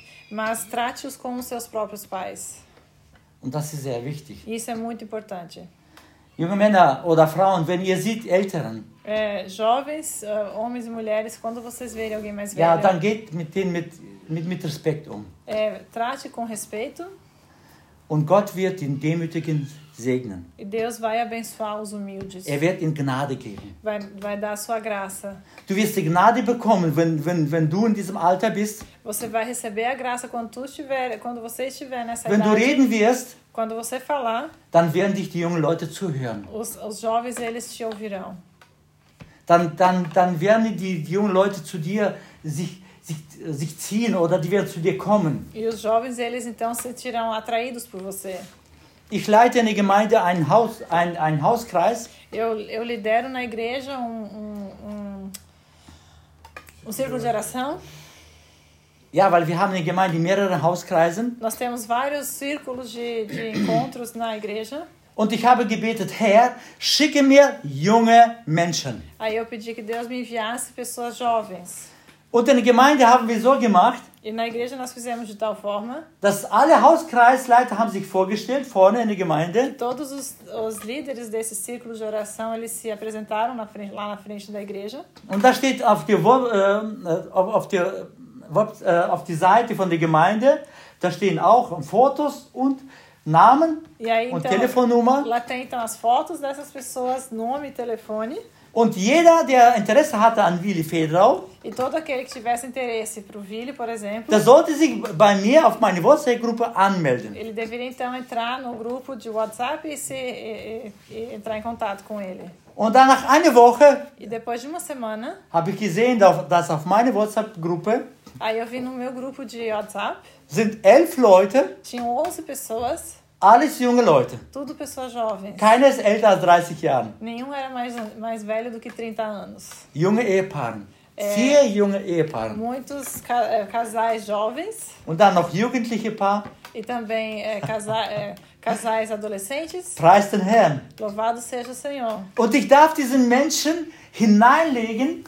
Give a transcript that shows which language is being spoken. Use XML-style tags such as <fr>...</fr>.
<pt>Mas trate-os como seus próprios pais.</pt> <de>Und das ist sehr wichtig.</de> <pt>Isso é muito importante.</pt> <de>Junge Männer oder Frauen, wenn ihr seht Älteren.</de> <pt>Jovens, homens e mulheres, quando vocês verem alguém mais velho.</pt> <de>Ja, dann geht mit denen mit Respekt um.</de> <pt>Trate com respeito.</pt> <de>Und Gott wird den Demütigen segnen.</de> <pt>E Deus vai abençoar os humildes.</pt> <de>Wird ihnen Gnade geben.</de> <pt>Vai dar a sua graça.</pt> <de>Du wirst die Gnade bekommen, wenn du in diesem Alter bist.</de> <pt>Você vai receber a graça quando você estiver nessa idade.</pt> <de>Wenn du reden wirst,</de> <pt>quando você falar,</pt> <de>dann werden dich die jungen Leute zuhören.</de> <pt>Os jovens, eles te ouvirão.</pt> <de>Dann werden die jungen Leute zu dir sich ziehen oder die werden zu dir kommen.</de> <pt>E os jovens, eles então se sentirão atraídos por você.</pt> <de>Ich leite in der Gemeinde einen Hauskreis.</de> <pt>Eu lidero na igreja um círculo de oração.</pt> <de>Ja, weil wir haben in der Gemeinde mehrere Hauskreise.</de> <pt>Nós temos vários círculos de encontros na igreja.</pt> <de>Und ich habe gebetet, Herr, schicke mir junge Menschen.</de> <pt>Aí eu pedi que Deus me enviasse pessoas jovens.</pt> <de>Und in der Gemeinde haben wir so gemacht,</de> <pt>e na igreja nós fizemos de tal forma,</pt> <de>dass alle Hauskreisleiter haben sich vorgestellt vorne in der Gemeinde.</de> <pt>Todos os líderes desse círculo de oração, eles se apresentaram lá na frente da igreja.</pt> <de>Und da steht auf die Seite von der Gemeinde, da stehen auch Fotos und Namen</de> <pt>e aí,</pt> <de>und Telefonnummer.</de> <pt>Lá tem então as fotos dessas pessoas, nome e telefone.</pt> <de>Und jeder, der Interesse hatte an Willy Federow,</de> <pt>e todo aquele que tivesse interesse pro Willy, por exemplo,</pt> <de>der sollte sich bei mir auf meine WhatsApp-Gruppe anmelden.</de> <pt>Ele deveria então entrar no grupo de WhatsApp e se e entrar em contato com ele.</pt> <de>Und dann nach einer Woche,</de> <pt>e depois de uma semana,</pt> <de>habe ich gesehen, dass auf meine WhatsApp-Gruppe,</de> <pt>aí eu vi no meu grupo de WhatsApp,</pt> <de>sind 11 Leute,</de> <pt>tinham 11 pessoas.</pt> <de>Alles junge Leute.</de> <pt>Tudo pessoas jovens.</pt> <de>Keines älter als 30 Jahren.</de> <pt>Nenhum era mais velho do que 30 anos.</pt> <de>Junge Ehepaaren. Vier junge Ehepaaren.</de> <pt>Muitos casais jovens.</pt> <de>Und dann noch jugendliche Paar.</de> <pt>E também casais adolescentes.</pt> <de>Preist den Herrn.</de> <pt>Louvado seja o Senhor.</pt> <de>Und ich darf diesen Menschen hineinlegen.</de>